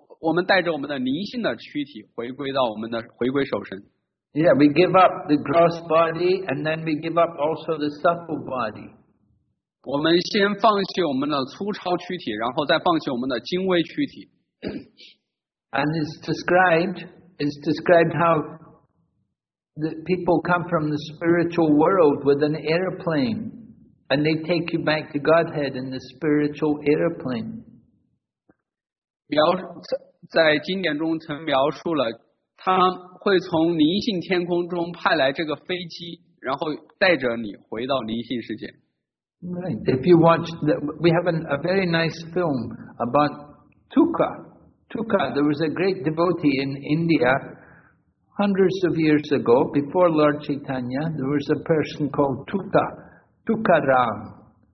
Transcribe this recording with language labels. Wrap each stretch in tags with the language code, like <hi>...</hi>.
<zh>我们带着我们的灵性的躯体回归到我们的回归守神。</zh> <en>Yeah, we give up the gross body and then we give up also the subtle body.</en> <zh>我们先放弃我们的粗糙躯体，然后再放弃我们的精微躯体。</zh> <en>And it's described how the people come from the spiritual world with an airplane and they take you back to Godhead in the spiritual airplane.</en> <zh>表示在经典中曾描述了他会从灵性天空中派来这个飞机，然后带着你回到灵性世界。</zh> <en>Right. If you watch, we have a very nice film about Tuka. Tuka, there was a great devotee in India hundreds of years ago, before Lord Chaitanya, there was a person called Tuka, Tukaram.</en>